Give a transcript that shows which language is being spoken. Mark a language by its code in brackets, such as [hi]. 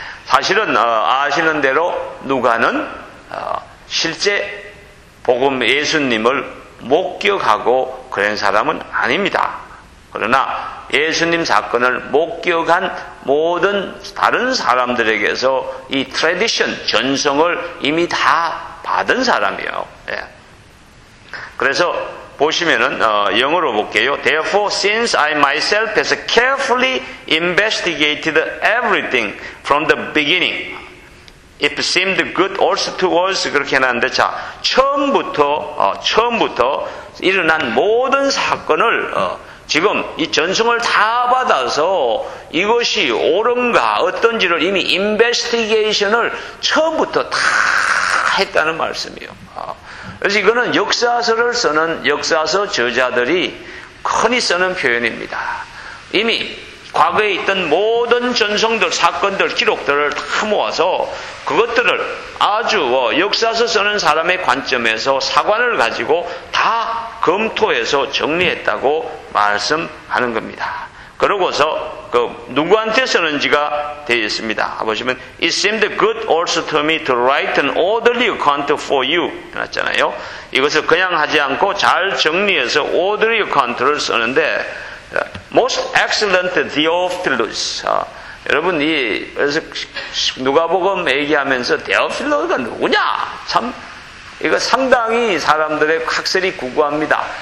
[ko] 사실은 아시는 대로 누가는 실제 복음 예수님을 목격하고 그런 사람은 아닙니다. 그러나 예수님 사건을 목격한 모든 다른 사람들에게서 이 트레디션, 전성을 이미 다 받은 사람이에요. 예. 그래서 보시면은 영어로 볼게요. [en] Therefore, since I myself has carefully investigated everything from the beginning, it seemed good also to us. [ko] 그렇게 해놨는데, 자, 처음부터 일어난 모든 사건을 지금 이 전승을 다 받아서 이것이 옳은가 어떤지를 이미 인베스티게이션을 처음부터 다 했다는 말씀이에요. 그래서 이거는 역사서를 쓰는 역사서 저자들이 흔히 쓰는 표현입니다. 이미 과거에 있던 모든 전성들, 사건들, 기록들을 다 모아서 그것들을 아주 역사서 쓰는 사람의 관점에서 사관을 가지고 다 검토해서 정리했다고 말씀하는 겁니다. 그러고서 그 누구한테 쓰는지가 되어 있습니다. 보시면 [en] It seemed good also to me to write an orderly account for you. [ko] 그랬잖아요. 이것을 그냥 하지 않고 잘 정리해서 orderly account를 쓰는데 [en] Most excellent [ko] Theophilus. 여러분, 그래서 누가복음 얘기하면서 Theophilus가 누구냐? 참, 이거 상당히 사람들의 학설이 구구합니다.